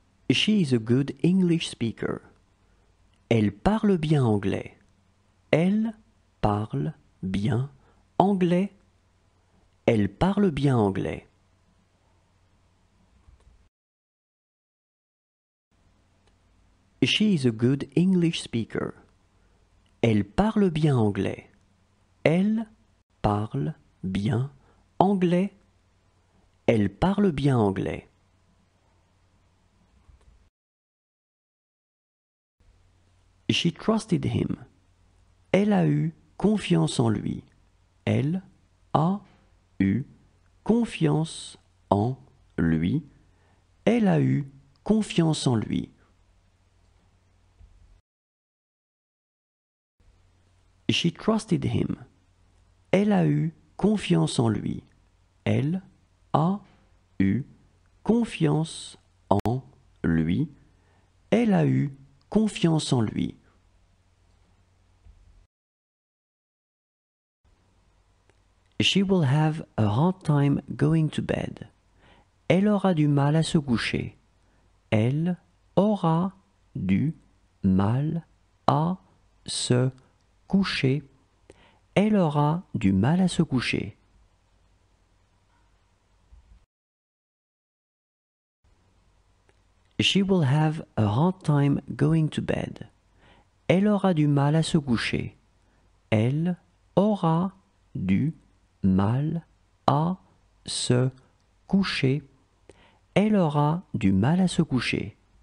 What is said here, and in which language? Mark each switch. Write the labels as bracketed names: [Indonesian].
[English] She is a good English speaker. [French] Elle parle bien anglais. Elle parle bien anglais. Elle parle bien anglais. [English] She is a good English speaker. [French] Elle parle bien anglais. Elle parle bien anglais. Elle parle bien anglais. [English] She trusted him. [French] Elle a eu confiance en lui. Elle a eu confiance en lui. Elle a eu confiance en lui. [English] She trusted him. [French] Elle a eu confiance en lui. Elle a eu confiance en lui. Elle a eu confiance en lui. [English] She will have a hard time going to bed. [French] Elle aura du mal à se coucher. Elle aura du mal à se coucher. Elle aura du mal à se coucher. [English] She will have a hard time going to bed. [French] Elle aura du mal à se coucher. Elle aura du mal à se coucher. Elle aura du mal à se coucher.